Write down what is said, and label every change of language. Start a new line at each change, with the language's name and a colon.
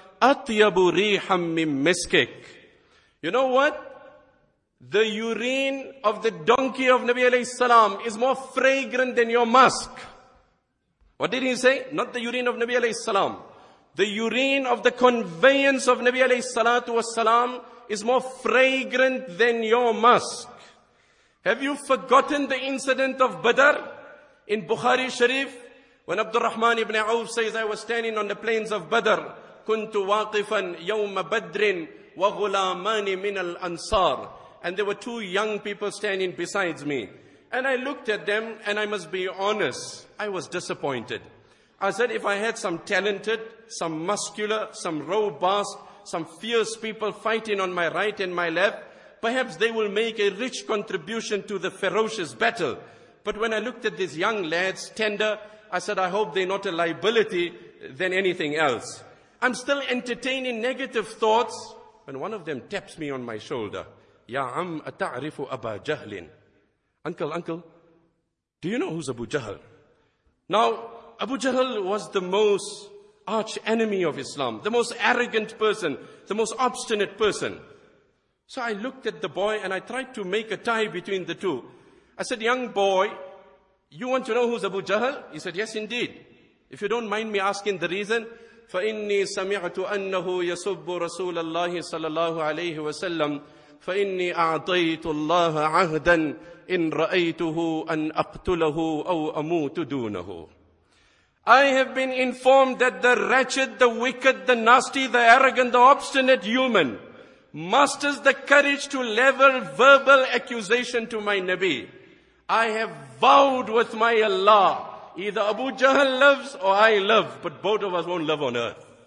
Arabic: أَطْيَبُ رِيحًا مِّن مِسْكِكَ.
English: You know what? The urine of the donkey of Nabi alayhi salam is more fragrant than your musk. What did he say? Not the urine of Nabi alayhi salam. The urine of the conveyance of Nabi alayhi salatu wasalam is more fragrant than your musk. Have you forgotten the incident of Badr in Bukhari Sharif? When Abdul Rahman ibn Auf says, I was standing on the plains of Badr.
Arabic: كنت واقفا يوم بدر وغلامان من الأنصار.
English: And there were two young people standing besides me. And I looked at them, and I must be honest, I was disappointed. I said, if I had some talented, some muscular, some robust, some fierce people fighting on my right and my left, perhaps they will make a rich contribution to the ferocious battle. But when I looked at these young lads, tender, I said, I hope they're not a liability than anything else. I'm still entertaining negative thoughts, when one of them taps me on my shoulder.
Arabic: Ya am ata'rifu Aba Jahlin.
English: Uncle, do you know who's Abu Jahl? Now, Abu Jahl was the most arch enemy of Islam, the most arrogant person, the most obstinate person. So I looked at the boy and I tried to make a tie between the two. I said, young boy, you want to know who's Abu Jahl? He said, yes, indeed. If you don't mind me asking the reason,
Arabic: فَإِنِّي سَمِعْتُ أَنَّهُ يَسُبُّ رَسُولَ اللَّهِ صَلَى اللَّهُ عَلَيْهِ وَسَلَّمْ فَإِنِّي أَعْطَيْتُ اللَّهَ عَهْدًا إِنْ رَأَيْتُهُ أَنْ أَقْتُلَهُ أَوْ أَمُوتُ دُونَهُ.
English: I have been informed that the wretched, the wicked, the nasty, the arrogant, the obstinate human musters the courage to level verbal accusation to my Nabi. I have vowed with my Allah, either Abu Jahl lives or I live, but both of us won't live on earth.